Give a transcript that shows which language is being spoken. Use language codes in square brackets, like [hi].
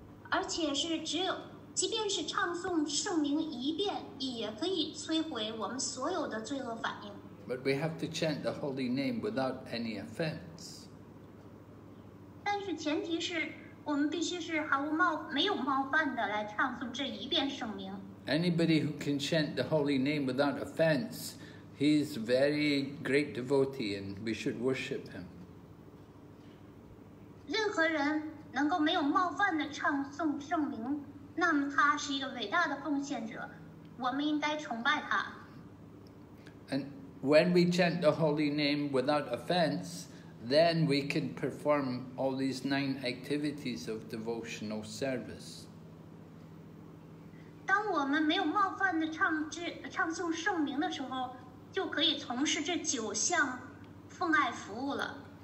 [zh] 而且是只有即便是唱诵圣名一遍，也可以摧毁我们所有的罪恶反应。 [en] But we have to chant the holy name without any offense. [zh] 但是前提是我们必须是毫无没有冒犯的来唱诵这一遍圣名。 [en] Anybody who can chant the holy name without offense, he's very great devotee, and we should worship him. [zh] 任何人能够没有冒犯的唱诵圣名。那么他是一个伟大的奉献者，我们应该崇拜他。 [en] And when we chant the holy name without offense, then we can perform all these 9 activities of devotional service. [zh] 当我们没有冒犯的唱诵圣名的时候，就可以从事这九项奉爱服务了。